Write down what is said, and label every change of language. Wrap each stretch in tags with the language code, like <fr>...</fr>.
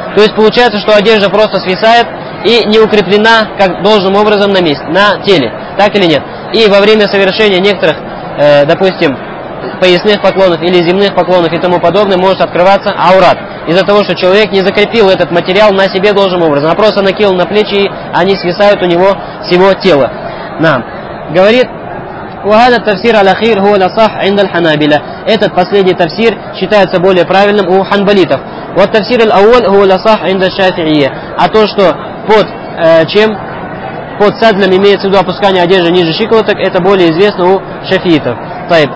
<ru>То есть получается, что одежда просто свисает и не укреплена как должным образом на месте, на теле. Так или нет? И во время совершения некоторых, допустим, поясных поклонов или земных поклонов и тому подобное, может открываться аурат. Из-за того, что человек не закрепил этот материал на себе должным образом, а просто накинул на плечи, и они свисают у него всего тела.</ru> <ar>Нам.</ar> <ru>Говорит,</ru> <ar>وَهَذَا التَّفْسِيرَ الْأَخِيرُ هُوَ الْأَصَحُ عِنْدَ الْحَنَابِلَ.</ar> <ru>Этот последний тафсир считается более правильным у ханбалитов.</ru> <ar>وَالتَّفْسِيرَ الْأَوَّلُ هُوَ الْأَصَحُ عِنْدَ الشَّافِعِيَ.</ar> <ru>А то, что под чем? Под садлем имеется в виду опускание одежды ниже щиколоток, это более известно у шафиитов. Тайб.</ru>